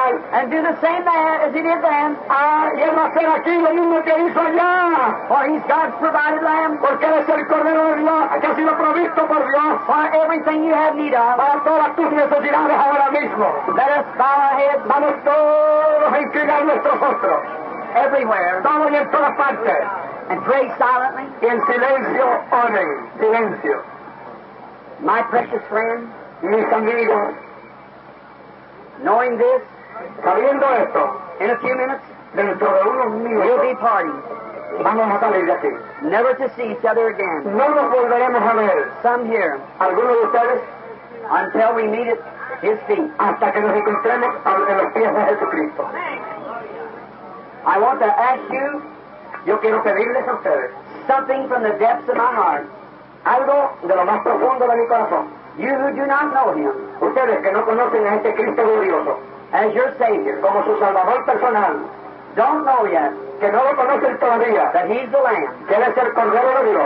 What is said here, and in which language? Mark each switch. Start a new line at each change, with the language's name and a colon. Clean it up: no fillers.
English: And do the same there as he did then.
Spanish: Y él va a hacer aquí lo mismo que hizo allá.
English: For he's God's provided lamb.
Spanish: Porque él es el cordero de Dios que ha sido provisto por Dios.
English: For everything you have need of.
Spanish: Para todas tus necesidades ahora mismo.
English: Let us bow our heads.
Spanish: Vamos todos a inclinar nuestros rostros.
English: Everywhere.
Spanish: Vamos en todas partes.
English: And pray silently.
Spanish: Y en silencio oren. Silencio.
English: My precious friend.
Spanish: Mis amigos.
English: Knowing this,
Spanish: sabiendo esto,
English: in a few minutes,
Spanish: dentro de unos minutos,
English: we'll be parting.
Spanish: Vamos a salir de aquí.
English: Never to see each other again.
Spanish: No nos volveremos a ver.
English: Some here.
Spanish: Algunos de ustedes.
English: Until we meet at His feet.
Spanish: Hasta que nos encontremos en los pies de Jesucristo.
English: I want to ask you.
Spanish: Yo quiero pedirles a ustedes.
English: Something from the depths of my heart.
Spanish: Algo de lo más profundo de mi corazón.
English: You who do not know Him.
Spanish: Ustedes que no conocen a este Cristo glorioso.
English: As your Savior.
Spanish: Como su Salvador personal.
English: Don't know yet.
Spanish: Que no lo conocen todavía.
English: That He's the Lamb.
Spanish: Que Él es el Cordero de Dios.